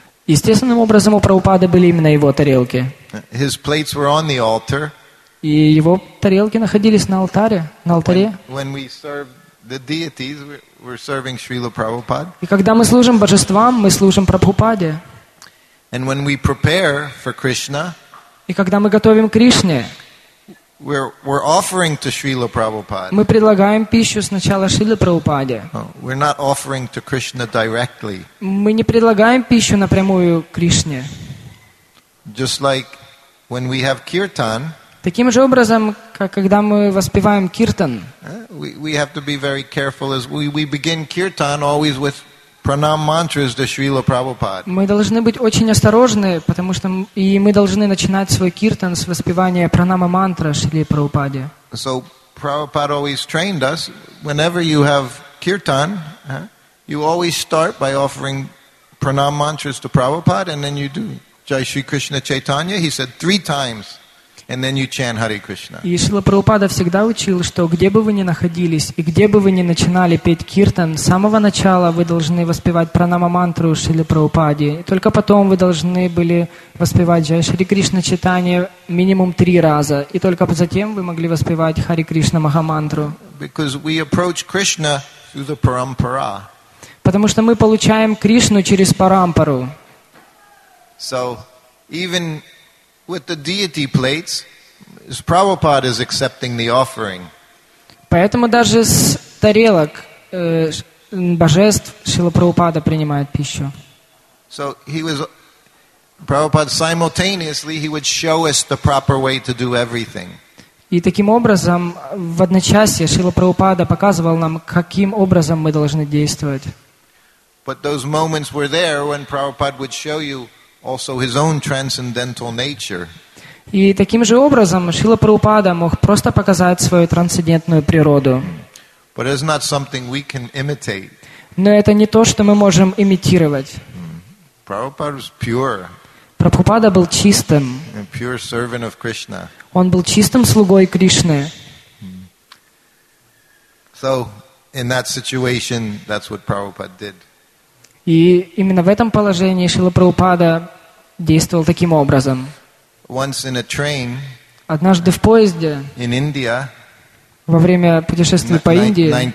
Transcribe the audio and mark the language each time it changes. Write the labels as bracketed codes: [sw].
[ru] Естественным образом у Прабхупады были именно его тарелки. [en] His plates were on the altar. [ru] И его тарелки находились на алтаре, на алтаре. [en] When we serve the deities, we're serving Srila Prabhupada. [ru] И когда мы служим божествам, мы служим Прабхупаде. [en] And when we prepare for Krishna, [ru] и когда мы готовим Кришне, [en] we're offering to Srila Prabhupada. [ru] Мы предлагаем пищу сначала Шриле Прабхупаде. [en] We're not offering to Krishna directly. [ru] Мы не предлагаем пищу напрямую Кришне. [en] Just like when we have kirtan. [ru] Таким же образом, как когда мы воспеваем киртан. [en] We have to be very careful as we begin kirtan always with pranam mantras to Srila Prabhupada. [ru] Мы должны быть очень осторожны, потому что и мы должны начинать свой киртан с воспевания пранама мантры Шри Прабхупаде. [en] So Prabhupada always trained us, whenever you have kirtan, you always start by offering pranam mantras to Prabhupada, and then you do Jai Shri Krishna Chaitanya. He said three times, and then you chant Hare Krishna. [ru] И Шрила Прабхупада всегда учил, что где бы вы ни находились и где бы вы ни начинали петь киртан, с самого начала вы должны воспевать пранама мантру Шрила Прабхупаде. И только потом вы должны были воспевать Джай Шри Кришна читание минимум три раза. И только затем вы могли воспевать Хари Кришна Махамантру. [en] Because we approach Krishna through the parampara. [ru] Потому что мы получаем Кришну через парампару. [en] So, even with the deity plates, Prabhupada is accepting the offering. [ru] Поэтому даже с тарелок божеств Шрила Прабхупада принимает пищу. [en] So he was Prabhupada simultaneously he would show us the proper way to do everything. [ru] И таким образом в одночасье Шрила Прабхупада показывал нам, каким образом мы должны действовать. [en] But those moments were there when Prabhupada would show you also his own transcendental nature. [ru] И таким же образом Шрила Прабхупада мог просто показать свою трансцендентную природу. [en] But it's not something we can imitate. [ru] Но это не то, что мы можем имитировать. [en] Prabhupada was pure. [ru] Прабхупада был чистым. [en] A pure servant of Krishna. [ru] Он был чистым слугой Кришны. [en] So in that situation, that's what Prabhupada did. [ru] И именно в этом положении Шрила Прабхупада действовал таким образом. [en] Once in a train, [ru] однажды в поезде [en] in India, [ru] во время путешествия по Индии